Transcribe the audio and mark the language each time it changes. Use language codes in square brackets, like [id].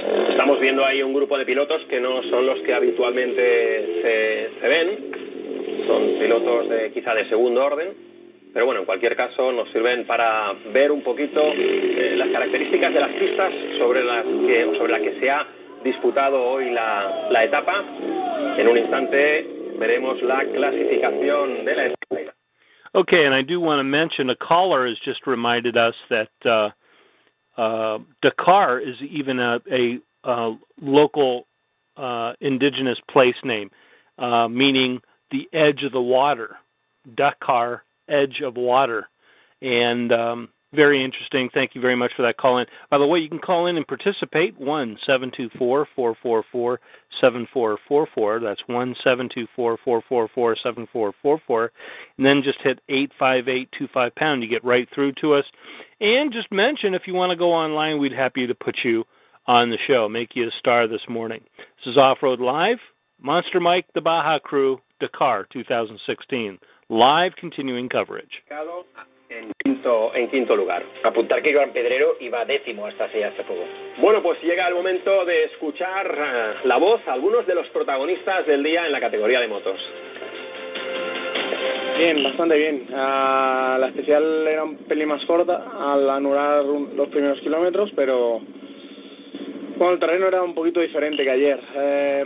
[es] Estamos viendo ahí un grupo de pilotos que no son los que habitualmente se ven, son pilotos quizá de segundo orden, pero bueno, en cualquier caso nos sirven para ver un poquito las características de las pistas sobre las que se ha disputado hoy la etapa. En un instante veremos la clasificación de la etapa. [en] Okay, and I do want to mention, a caller has just reminded us that Dakar is even a local indigenous place name, meaning the edge of the water. Dakar, edge of water. And very interesting. Thank you very much for that call-in. By the way, you can call in and participate, 1-724-444-7444. That's 1-724-444-7444. And then just hit 858-25-POUND. You get right through to us. And just mention, if you want to go online, we'd happy to put you on the show, make you a star this morning. This is Off-Road Live, Monster Mike, the Baja Crew, Dakar 2016. Live continuing coverage. [es] en quinto lugar. Apuntar que Joan Pedrero iba décimo hasta hace poco. Bueno, pues llega el momento de escuchar la voz a algunos de los protagonistas del día en la categoría de motos. Bien, bastante bien. La especial era un pelín más corta al anular los primeros kilómetros, pero bueno, el terreno era un poquito diferente que ayer.